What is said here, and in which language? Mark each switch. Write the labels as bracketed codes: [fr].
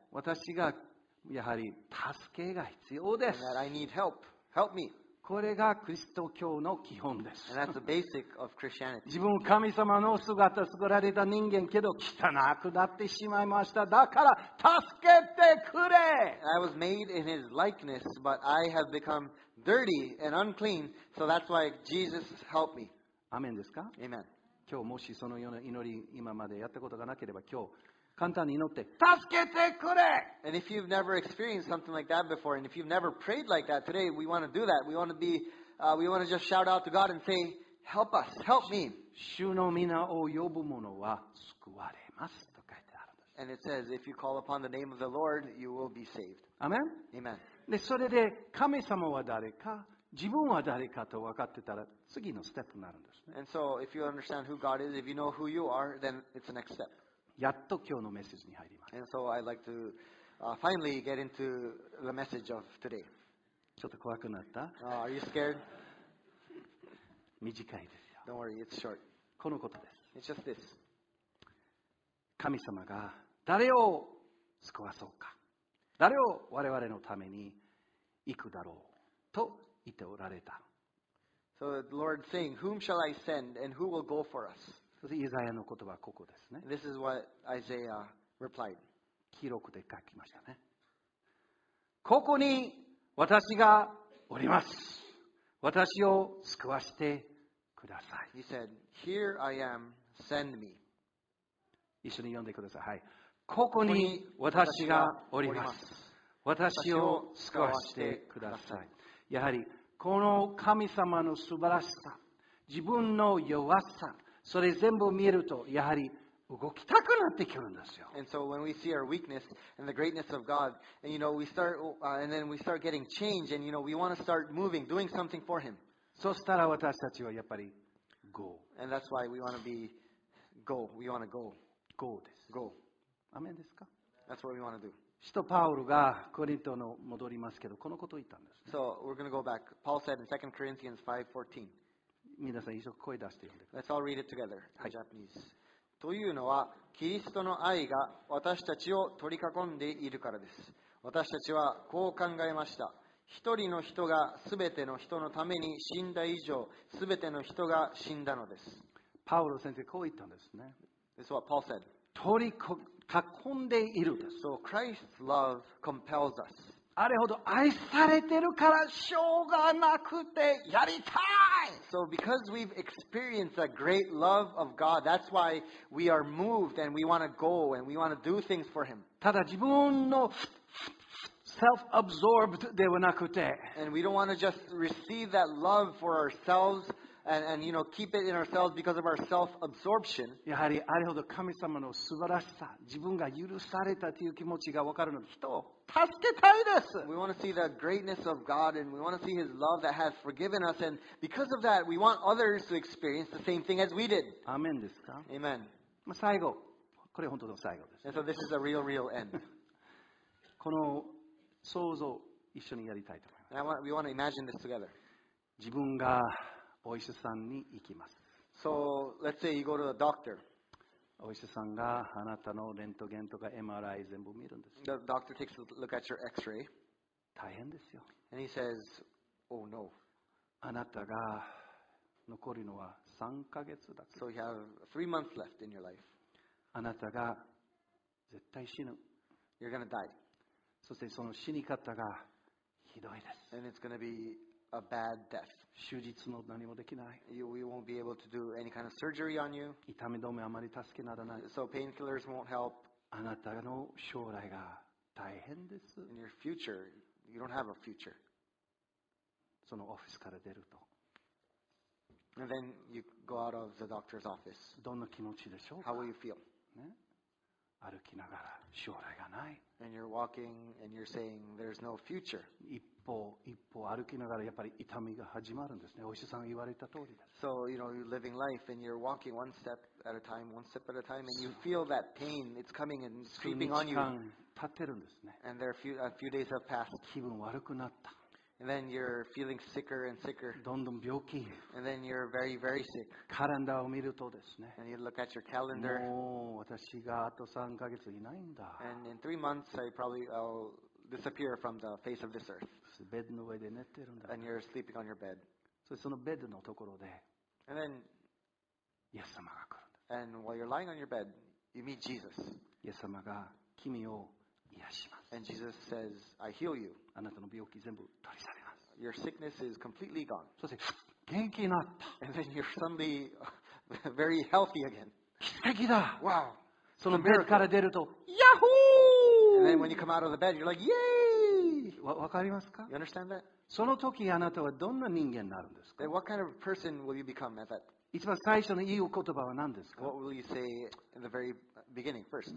[ja] 私がやはり助けが必要です。 [en] And that I need help. Help me. [ja] これがキリスト教の基本です。 [en] And that's the basic of Christianity. [ja] 自分神様の姿作られた人間けど汚くなってしまいました。だから助けてくれ。 [en] I was made in His likeness, but I have become dirty and unclean, so that's why Jesus helped me. [ja] アメンですか？ [en] Amen. [ja] 今日もしそのような祈り今までやったことがなければ今日簡単に祈って助けてくれ。 [en] And if you've never experienced something like that before, and if you've never prayed like that today, we want to do that. We want to be, we want to just shout out to God and say, "Help us, help me." [ja] 主の名を呼ぶ者は救われますと書いてあるんです。 [en] And it says, "If you call upon the name of the Lord, you will be saved." Amen. Amen. [ja] でそれで神様は誰か、自分は誰かと分かってたら次のステップになるんですね。 [en] And so, if you understand who God is, if you know who you are, then it's the next step. [ja] やっと今日のメッセージに入ります。 [en] And so I'd like to finally get into the message of today. [ja] ちょっと怖くなった [en] Are you scared? [ja] 短いですよ [en] Don't worry, it's short. [ja] このことです [en] It's just this. [ja] 神様が誰を救わそうか誰を我々のために行くだろうと言っておられた [en] So the Lord is saying, whom shall I send and who will go for us? [ja] そしてイザヤの言葉はここですね [en] This is what Isaiah replied. [ja] 記録で書きましたねここに私がおります。私を救わしてください。 [en] He said, Here I am, send me. [ja] 一緒に読んでください。はい。ここに私がおります。私を救わしてください。やはり、この神様の素晴らしさ、自分の弱さ、それ全部見えると、やはり、動きたくなってくるんですよ。 [en] And so when we see our weakness and the greatness of God, and you know we start, and then we start getting change, and you know we want to start moving, doing something for Him. [ja] そしたら私たちはやっぱり go. [en] And that's why we want to be go. We want to go. [ja] Go です。 [en] Go. [ja] アメンですか? [en] That's what we want to do. [ja] 使徒パウロがコリントの戻りますけど、このことを言ったんです、ね。 [en] So we're going to go back. Paul said in 2 Corinthians 5:14. [ja] 皆さん一緒声出して読んで。 [en] Let's all read it together in、 [ja] はい、 [en] Japanese. [ja] というのは、キリストの愛が私たちを取り囲んでいるからです。私たちはこう考えました。一人の人がすべての人のために死んだ以上、すべての人が死んだのです。パウロ先生、こう言ったんですね。 [en] This is what Paul said. [ja] 取り囲んでいる。 [en] So Christ's love compels us. [ja] あれほど愛されてるからしょうがなくてやりたい。 [en] So because we've experienced a great love of God, that's why we are moved and we want to go and we want to do things for Him. [ja] ただ自分の self-absorbed ではなくて [en] And we don't want to just receive that love for ourselves and you know, keep it in ourselves because of our self-absorption. [ja] やはりあれほど神様の素晴らしさ、自分が許されたという気持ちが分かるので人を助けたいです。 [en] We want to see the greatness of God and we want to see His love that has forgiven us and because of that we want others to experience the same thing as we did. [ja] アメンですか? [en] Amen. [ja] 最後、これ本当の最後です。 [en] And so this is a real, real end. [ja] この想像一緒にやりたいと思います。 [en] And we want to imagine this together. [ja] 自分がお医者さんに行きます。 [en] So let's say you go to the doctor. [ja] お医者さんがあなたのレントゲンとか MRI 全部見るんです。 [en] The doctor takes a look at your X-ray. [ja] 大変ですよ。 [en] And he says, "Oh no." [ja] あなたが残るのは3ヶ月だけ。 [en] So you have 3 months left in your life. [ja] あなたが絶対死ぬ。 [en] You're gonna die. [ja] そしてその死に方がひどいです。 [en] And it's gonna be a bad death. [ja] 手術も何もできない。 [en] We won't be able to do any kind of surgery on you. [ja] 痛み止めあまり助けならない。 [en] So painkillers won't help. [ja] あなたの将来が大変です。 [en] In your future, you don't have a future. [ja] そのオフィスから出ると。 [en] And then you go out of the doctor's office. [ja] どんな気持ちでしょうか? [en] How will you feel? [ja] ね。歩きながら将来がない。 [en] And you're walking and you're saying there's no future. [ja] 一歩一歩歩きながらやっぱり痛みが始まるんですね。お医者さんが言われた通りです。 [en] So you know you're living life and you're walking one step at a time, one step at a time, and you feel that pain. It's coming and it's creeping on you. [ja] 数日間経ってるんですね。 [en] And there a few days have passed. [ja] 気分悪くなった。 [en] And then you're feeling sicker and sicker. [ja] どんどん病気。 [en] And then you're very, very sick. [ja] カレンダーを見るとですね。 [en] And you look at your calendar. [ja] もう私があと3ヶ月いないんだ。 [en] And in 3 months, I probably will disappear from the face of this earth. [ja] ベッドの上で寝てるんだ。 [en] And you're sleeping on your bed. [ja] そのベッドのところで。 [en] And then, [ja] イエス様が来るんだ。 [en] And while you're lying on your bed, you meet Jesus. [ja] イエス様が君を癒します。 [en] And Jesus says, I heal you. [ja] あなたの病気全部取り去ります。 [en] Your sickness is completely gone. [ja] そして元気になった。 [en] And then you're suddenly very healthy again. [ja] 奇跡だ。 [en] Wow. [ja] そのベッドから出ると、ヤッホー。 [en] And then when you come out of the bed, you're like, yay! [ja] わかりますか? [en] You understand that? [ja] その時あなたはどんな人間になるんですか? [en] Then what kind of person will you become at that? [ja] 一番最初の言う言葉は何ですか? [en] What will you say in the very beginning first?